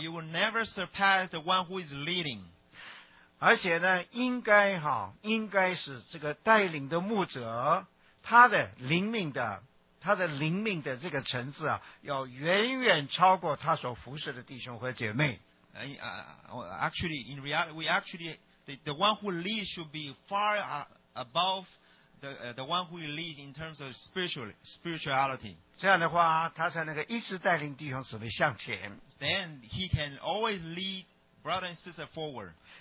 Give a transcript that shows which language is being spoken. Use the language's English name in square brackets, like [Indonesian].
[English] You will never surpass the one who is leading. [Chinese] 而且呢, 应该哈, 应该是这个带领的牧者, 他的灵命的, 他的灵命的这个层次啊, 要远远超过他所服侍的弟兄和姐妹。 [English] Actually, in reality, the one who leads should be far above the one who leads in terms of spirituality. [Chinese] 这样的话, 他才能够一直带领弟兄姊妹向前。 [English] Then he can always lead brother and sister forward.